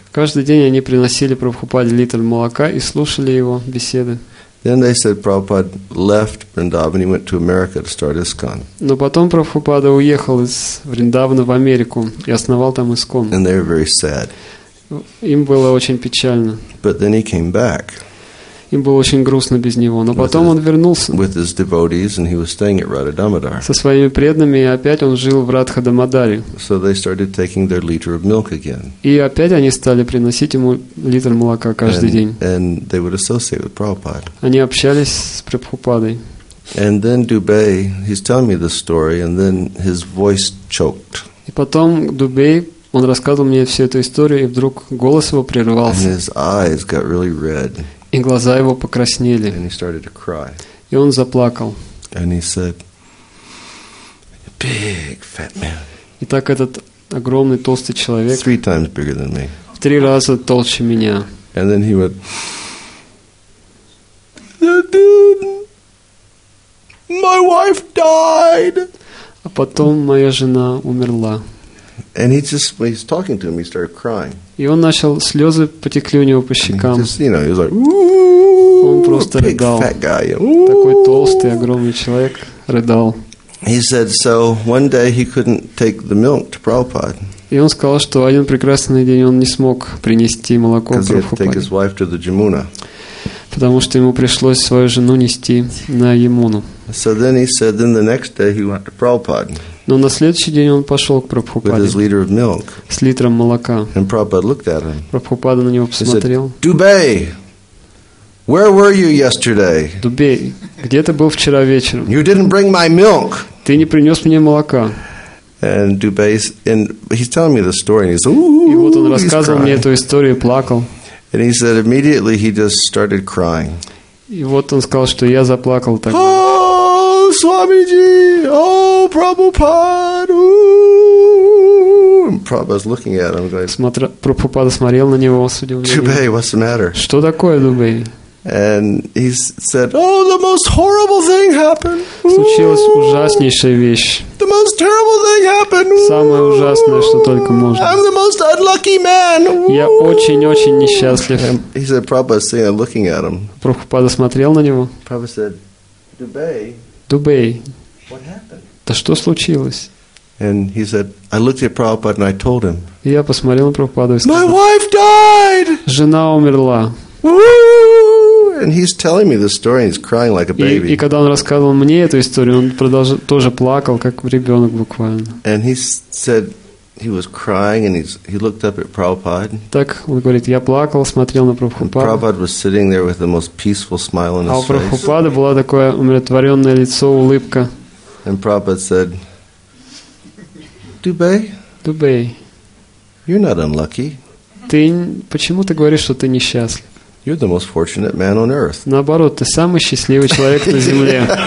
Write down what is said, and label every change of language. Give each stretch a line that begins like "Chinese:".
Russian: Каждый день они приносили Прабхупаде литр молока и слушали его беседы.
English: Then they said Prabhupada left Vrindavan, he went to America to start ISKCON.
Russian: Но потом Прабхупада уехал из Вриндавана в Америку и основал там ИСКОН.
English: And they were very sad.
Russian: Им было очень печально.
English: But then he came back.
Russian: Им было очень грустно без него. Но потом он вернулся.
English: With his devotees, and he was staying at Radhadamodar.
Russian: Со своими преданными, и опять он жил в Радхадамодаре.
English: So they started taking their liter of milk again.
Russian: И опять они стали приносить ему литр молока каждый день.
English: And they would associate with Prabhupada.
Russian: Они общались с Прабхупадой.
English: And then Dubey, he's telling me this story, and then his voice choked.
Russian: И потом Дубей, он рассказывал мне всю эту историю, и вдруг голос его прерывался.
English: And his eyes got really red.
Russian: И глаза его покраснели.
English: And he started to cry.
Russian: И он заплакал.
English: And he said, big fat man.
Russian: И так этот огромный толстый человек
English: 3 times bigger than me.
Russian: В 3 раза толще меня.
English: And then he went, the dude, my wife died.
Russian: А потом моя жена умерла.
English: And he's talking to him, he started crying.
Russian: И он начал, слезы потекли у него по щекам. Он просто рыдал.
English: Fat guy,
Russian: такой толстый, огромный человек рыдал.
English: He said, so one day he couldn't take the milk to Prabhupada.
Russian: И он сказал, что один прекрасный день он не смог принести молоко Прабхупаде.
English: Because he had to take his wife to the Jamuna.
Russian: Потому что ему пришлось свою жену нести на Ямуну.
English: So then he said, then the next day he went to Prabhupada.
Russian: Но на следующий день он пошел к Прабхупаде.
English: With his liter of milk.
Russian: С литром молока.
English: And Prabhupada looked at him.
Russian: Прабхупада на него посмотрел.
English: He said, Dubey, where were you yesterday?
Russian: Дубей, где ты был вчера вечером?
English: You didn't bring my milk.
Russian: Ты не принес мне молока.
English: And Dubey's, and he's telling me the story, and he's ooh.
Russian: И вот он рассказывал мне эту историю и плакал.
English: And he said immediately he just started crying.
Russian: И вот он сказал, что я заплакал так.
English: Oh, Swamiji! Oh, Prabhupada! Ooh. And Prabhupada's looking at him, going,
Russian: Прабхупада смотрел на него с удивлением.
English: Dubey, what's the matter?
Russian: Что такое, Дубей?
English: And he said, oh, the most horrible thing happened.
Russian: Случилась ужаснейшая вещь.
English: The most terrible thing happened.
Russian: Самое ужасное, что только можно.
English: I'm the most unlucky man.
Russian: Я очень-очень несчастлив.
English: He said, Prabhupada's sitting there looking at him.
Russian: Прабхупада смотрел на него.
English: Prabhupada said, Dubey. Dubey. What happened?
Russian: Да что случилось?
English: And he said, I looked at Prabhupada and I told him.
Russian: И я посмотрел на Прабхупаду и сказал.
English: My wife died.
Russian: Жена умерла.
English: And he's telling me this story, and he's crying like a baby.
Russian: И когда он рассказывал мне эту историю, он тоже плакал, как ребенок буквально.
English: And he said he was crying, and he looked up at Prabhupada.
Russian: Так он говорит, я плакал, смотрел на Прабхупаду.
English: And Prabhupada was sitting there with the most peaceful smile on his face.
Russian: А у Прабхупады было такое умиротворенное лицо, улыбка.
English: And Prabhupada said, Dubey, Dubey, you're not unlucky.
Russian: Почему ты говоришь, что ты несчастлив?
English: You're the most fortunate man on earth.
Russian: Наоборот, ты самый счастливый человек на земле.